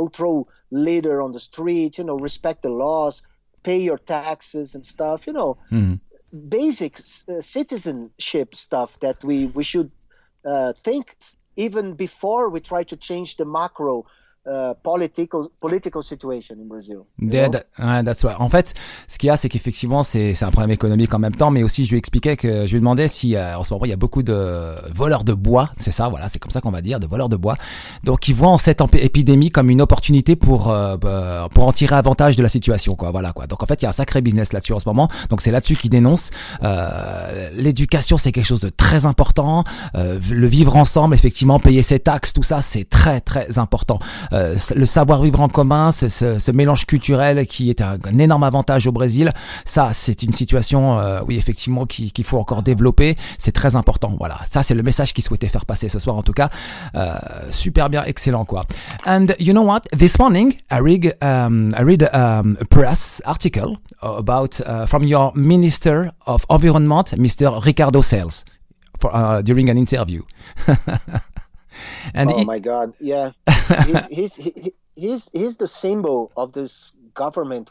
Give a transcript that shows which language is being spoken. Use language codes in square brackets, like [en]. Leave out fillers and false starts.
[en] Don't throw litter on the street, you know, respect the laws, pay your taxes and stuff, you know, basic citizenship stuff that we should think even before we try to change the macro political situation in Brazil. That's right. [fr] En fait, ce qu'il y a, c'est qu'effectivement, c'est un problème économique en même temps, mais aussi, je lui expliquais que je lui demandais si, en ce moment, il y a beaucoup de voleurs de bois, c'est ça, voilà, c'est comme ça qu'on va dire, de voleurs de bois, donc ils voient cette épidémie comme une opportunité pour en tirer avantage de la situation, quoi, voilà, quoi. Donc en fait, il y a un sacré business là-dessus en ce moment, donc c'est là-dessus qu'il dénonce. L'éducation, c'est quelque chose de très important, le vivre ensemble, effectivement, payer ses taxes, tout ça, c'est très, très important. Le savoir-vivre en commun, ce mélange culturel qui est un énorme avantage au Brésil, ça, c'est une situation, oui, effectivement, qu'il faut encore développer. C'est très important. Voilà. Ça, c'est le message qu'il souhaitait faire passer ce soir, en tout cas. Super bien, excellent, quoi. [en] And you know what? This morning, I read a press article about from your Minister of Environment, Mr. Ricardo Salles, during an interview. And oh my God! Yeah, he's the symbol of this government.